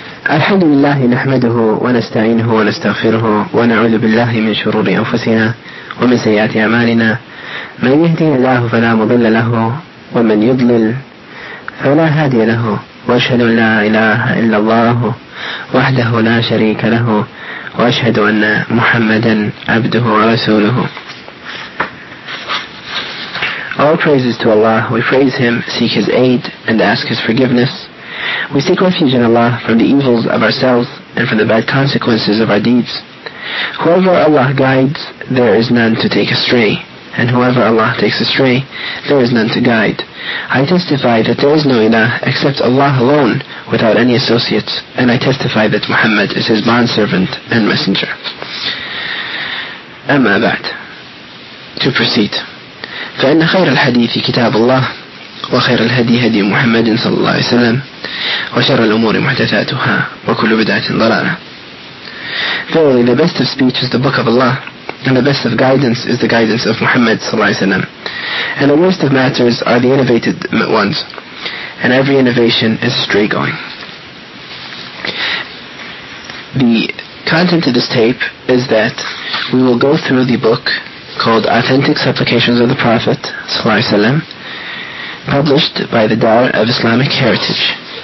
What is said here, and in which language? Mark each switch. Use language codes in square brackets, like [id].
[ar] الحمد لله نحمده ونستعينه ونستغفره ونعوذ بالله من شرور أنفسنا ومن سيئات أعمالنا، من يهدي الله فلا مضل له ومن يضلل فلا هادي له، وأشهد أن لا إله إلا الله وحده لا شريك له، وأشهد أن محمدا عبده ورسوله. [en] All praises to Allah, we praise Him, seek His aid and ask His forgiveness. We seek refuge in Allah from the evils of ourselves and from the bad consequences of our deeds. Whoever Allah guides, there is none to take astray, and whoever Allah takes astray, there is none to guide. I testify that there is no ilah except Allah alone, without any associates, and I testify that Muhammad is His bondservant and messenger. Amma ba'd. To proceed. [ar] فإن خير الحديث كتاب الله وخير الهدي هدي محمد صلى الله عليه وسلم وشر الأمور محدثاتها وكل بدعة ضلالة. [en] Verily, the best of speech is the book of Allah, and the best of guidance is the guidance of Muhammad صلى الله عليه وسلم, and the worst of matters are the innovated ones, and every innovation is stray going. The content of this tape is that we will go through the book called Authentic Supplications of the Prophet ﷺ, published by the Dar of Islamic Heritage.